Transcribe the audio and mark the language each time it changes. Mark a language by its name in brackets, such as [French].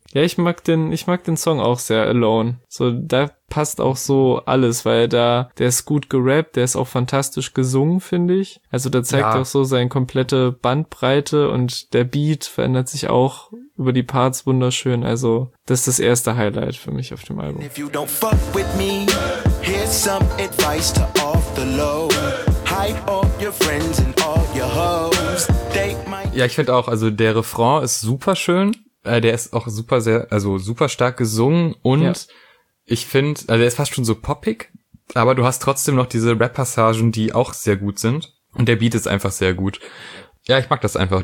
[German] Ja, ich mag den Song auch sehr, Alone. So, da passt auch so alles, weil der ist gut gerappt, der ist auch fantastisch gesungen, finde ich. Also da zeigt auch so seine komplette Bandbreite und der Beat verändert sich auch über die Parts wunderschön. Also, das ist das erste Highlight für mich auf dem Album. [English] If you don't fuck with me, here's some advice to off the low. Hype all your friends and all your hoes. [German] Ja, ich finde auch, also der Refrain ist super schön. Der ist auch super sehr, also super stark gesungen und ich finde, also der ist fast schon so poppig, aber du hast trotzdem noch diese Rap-Passagen, die auch sehr gut sind und der Beat ist einfach sehr gut. Ja, ich mag das einfach.